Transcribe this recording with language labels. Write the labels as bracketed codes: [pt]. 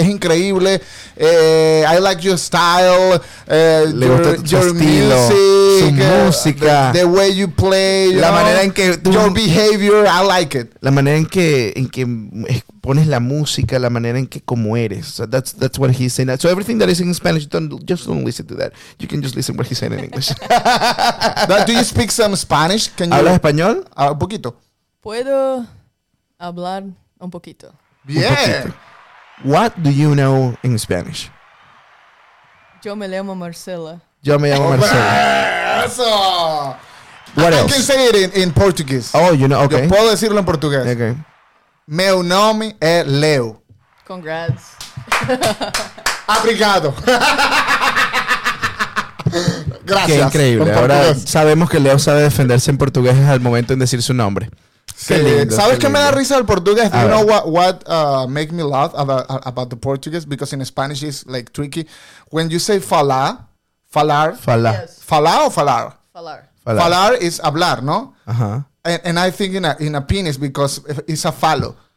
[es] Es increíble. [en] I like your style. [es] Le gusta tu estilo, su música. [en] The way you play. [es] La manera en que tú, [en] your behavior, I like it. [es] La manera en que pones la música, la manera en que como eres. [en] So that's what he's saying. So everything that is in Spanish, just don't listen to that. You can just listen what he's saying in English. Do you speak some Spanish? [es] ¿Hablas español? Un poquito. Puedo hablar un poquito. Bien. [en] What do you know in Spanish? [es] Yo me llamo Marcela. Yo me llamo Marcela. ¡Eso! [en] What else? I can say it in Portuguese. Oh, you know, okay. [es] Yo puedo decirlo en portugués. [en] Okay. [pt] Meu nome é Leo. [en] Congrats. [pt] Obrigado. [es] Gracias. Qué increíble. Ahora sabemos que Leo sabe defenderse en portugués al momento en decir su nombre. Sí. Lindo, ¿sabes qué me da risa el portugués? [en] You know what make me laugh about the Portuguese? Because in Spanish it's like tricky. When you say falar. [pt] Falar. [en] Yes. [pt] Falar o falar? Falar. [en] Falar is hablar, ¿no? Uh-huh. And I think in a penis because it's a falo.